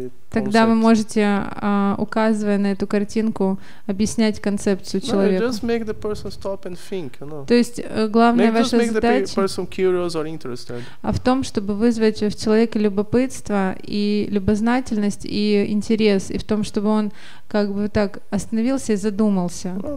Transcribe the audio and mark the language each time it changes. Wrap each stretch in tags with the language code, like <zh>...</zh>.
<ru>Тогда вы можете, указывая на эту картинку, объяснять концепцию человеку.</ru> <en>Just make the person stop and think, you know?</en> <ru>То есть главная ваша задача в том, чтобы вызвать в человеке любопытство и любознательность и интерес, и в том, чтобы он как бы так остановился и задумался.</ru>